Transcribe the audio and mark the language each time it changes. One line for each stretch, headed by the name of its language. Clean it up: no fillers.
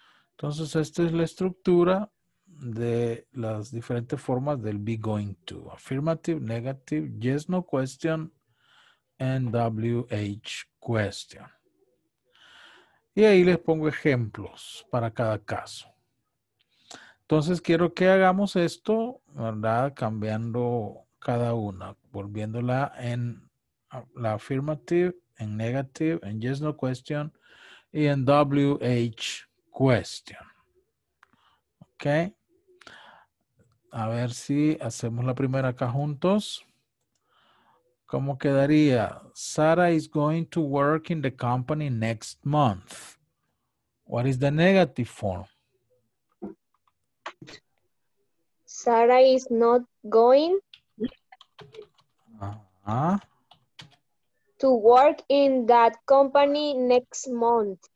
Spanish: Entonces, esta es la estructura de las diferentes formas del be going to.
English: Affirmative, negative, yes, no question, and WH question.
Spanish: Y ahí les pongo ejemplos para cada caso. Entonces, quiero que hagamos esto, ¿verdad? Cambiando cada una, volviéndola en la affirmative, en negative, en yes, no question, y en WH question. ¿Ok? A ver si hacemos la primera acá juntos. ¿Cómo quedaría?
English: Sarah is going to work in the company next month. What is the negative form? Sarah is not going to work in that company next month.